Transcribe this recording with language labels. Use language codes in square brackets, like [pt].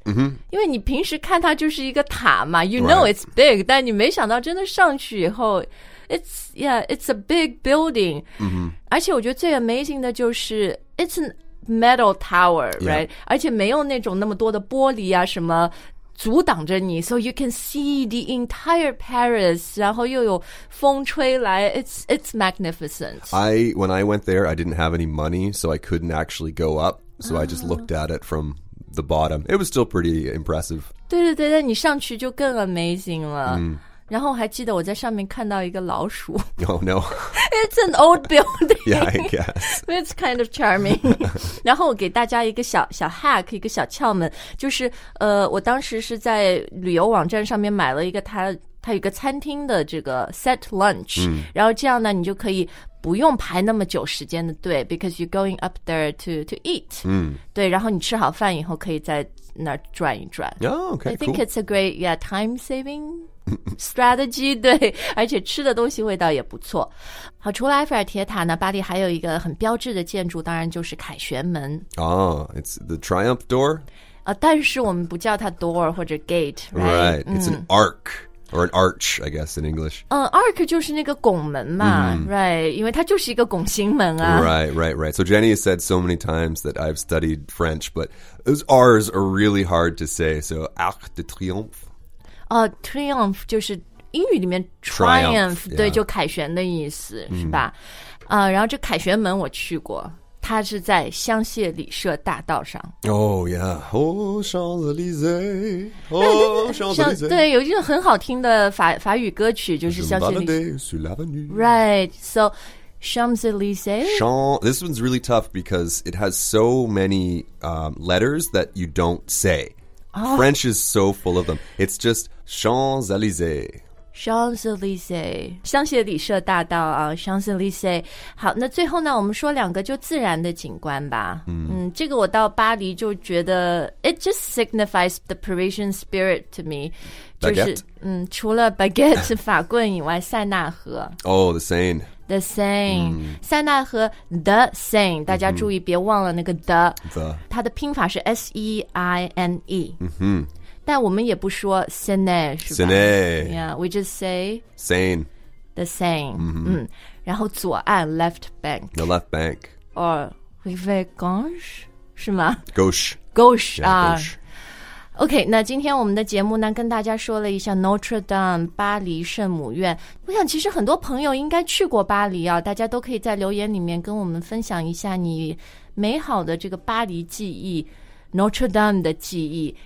[zh] Mm-hmm. 因为你平时看它就是一个塔嘛 [en] you know、right. it's big, [zh] 但你没想到真的上去以后 [en] it's a big building.、 Mm-hmm. [zh] 而且我觉得最 amazing 的就是 [en] it's a metal tower, right?、 Yeah. [zh] 而且没有那种那么多的玻璃啊什么阻挡着你 [en] so you can see the entire Paris, [zh] 然后又有风吹来 [en] it's magnificent. When I went there, I didn't have any money, so I couldn't actually go up, so、I just looked at it from the bottom. It was still pretty impressive. [zh] 对对对，但你上去就更 amazing 了。然后我还记得我在上面看到一个老鼠。 [en] Oh no. It's an old building. Yeah, I guess. It's kind of charming. [zh] 然后我给大家一个小 hack, 一个小窍门。就是我当时是在旅游网站上面买了一个它有一个餐厅的这个 set lunch、 mm.。然后这样呢你就可以不用排那么久时间的队 [en] because you're going up there to eat.、 Mm. [zh] 对然后你吃好饭以后可以在那儿转一转。 [en] Oh, okay, I think、 cool. it's a great, yeah, time saving. [zh] strategy 对而且吃的东西味道也不错好除了埃菲尔铁塔呢巴黎还有一个很标志的建筑当然就是凯旋门 [en] Oh, it's the triumph door、 [zh] 但是我们不叫它 door 或者 gate [en] Right, right. it's、an arc Or an arch I guess in English、 [zh] arc 就是那个拱门嘛、mm-hmm. Right 因为它就是一个拱形门啊 [en] Right, right, right So Jenny has said so many times that I've studied French But those R's are really hard to say So Arc de TriumphTriumph [zh] 就是英语里面 triumph, [en] triumph [zh] 对、 [en] yeah. [zh] 就凯旋的意思、mm. 是吧、然后这凯旋门我去过它是在香榭里舍大道上 [en] Oh yeah Oh Champs-Élysées Oh Champs-Élysées [zh] 对有一个很好听的 法语歌曲就是香榭里舍 [fr] sur l'avenue [en] Right So Champs-Élysées This one's really tough because it has so many、letters that you don't sayFrench is so full of them. It's just Champs-Élysées. Champs-Élysées. [zh] 香榭里舍大道啊 Champs-Élysées. 好那最后呢我们说两个就自然的景观吧。 Mm. 这个我到巴黎就觉得 [en] It just signifies the Parisian spirit to me. Baguette? [zh] 除了 baguette 法棍以外塞纳河。 [en] Oh, the Seine. The Seine、mm. [zh] 塞纳河 The Seine 大家注意、mm-hmm. 别忘了那个 the 它的拼法是 S-E-I-N-E、 mm-hmm. 但我们也不说 Seine 是吧 [en] Seine Yeah, we just say Seine The Seine、 mm-hmm. [zh] 然后左岸 Left Bank [en] The Left Bank [fr] Or Rive Gauche [zh] 是吗 [fr] Gauche Gauche [en] yeah,、 [zh] Gauche OK, 那今天我们的节目呢跟大家说了一下 Notre Dame, 巴黎圣母院。我想其实很多朋友应该去过巴黎啊大家都可以在留言里面跟我们分享一下你美好的这个巴黎记忆 ,Notre Dame 的记忆。